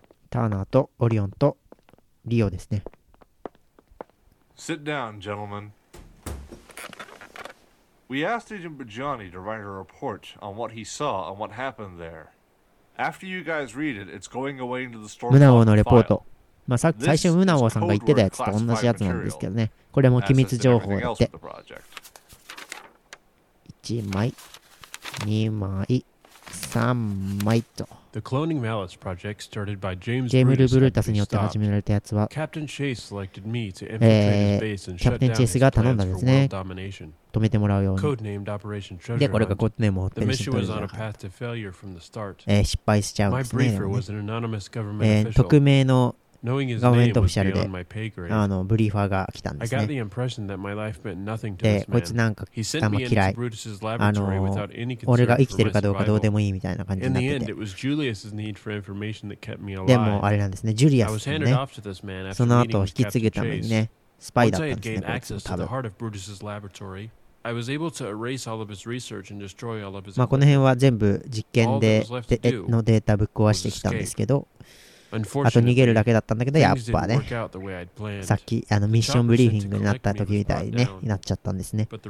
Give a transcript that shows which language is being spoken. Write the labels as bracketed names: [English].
[Japanese] Turner とオリオンとリオですね。 [English] Sit down, gentlemen. We asked Agent Bajani to write a report on what he saw and what happened there. After you guys read it, it's going away into the storm. [Japanese] Munawa のレポート。まあさ、最初ムナワさんが言ってたやつと同じやつなんですけどね。これも機密情報だって。 1枚、2枚、3枚と。 [English] The cloning malice project started by James [Japanese] ジェームル・ブルータスによって始められたやつは、キャプテン・チェイスが頼んだんですね。止めてもらうように。で、これがコードネームを追ってるんですよ。失敗しちゃうんですね。匿名のガーメントオフィシャルで、あの、ブリーファーが来たんですね。で、こいつなんか貴様嫌い。あの、俺が生きてるかどうかどうでもいいみたいな感じになってて。でも、あれなんですね。ジュリアスね。その後、引き継ぐためにね、スパイだったんですね、こいつ。 [English] I was able to erase all of his research and destroy all of his. [Japanese] まあこの辺は全部実験でのデータぶっ壊してきたんですけど、あと逃げるだけだったんだけど、やっぱね、さっきあのミッションブリーフィングになった時みたいねになっちゃったんですね。